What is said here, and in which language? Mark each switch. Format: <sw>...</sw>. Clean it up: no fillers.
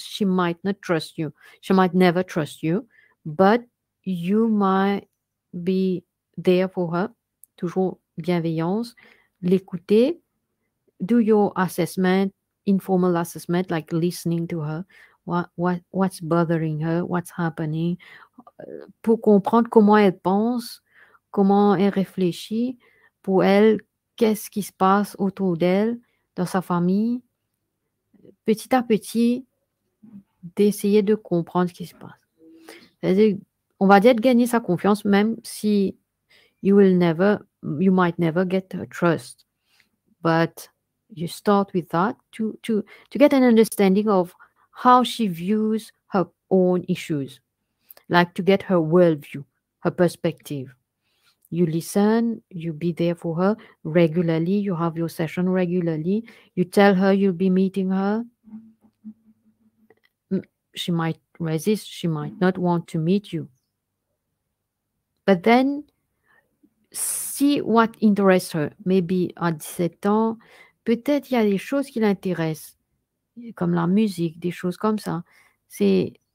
<en>She might not trust you. She might never trust you. But you might be there for her.</en> <fr>Toujours bienveillance. L'écouter.</fr> <en>Do your assessment, informal assessment, like listening to her. What's bothering her? What's happening?</en> <fr>Pour comprendre comment elle pense, comment elle réfléchit. Pour elle, qu'est-ce qui se passe autour d'elle? Dans sa famille, petit à petit, d'essayer de comprendre ce qui se passe. C'est-à-dire, on va dire de gagner sa confiance, même si</fr> <en>you might never get her trust. But you start with that to get an understanding of how she views her own issues, like to get her worldview, her perspective. You listen, you be there for her regularly, you have your session regularly, you tell her you'll be meeting her. She might resist, she might not want to meet you. But then, see what interests her. Maybe at</en> <fr>17 ans, peut-être il y a des choses qui l'intéressent, comme la musique, des choses comme ça. C'est...</fr>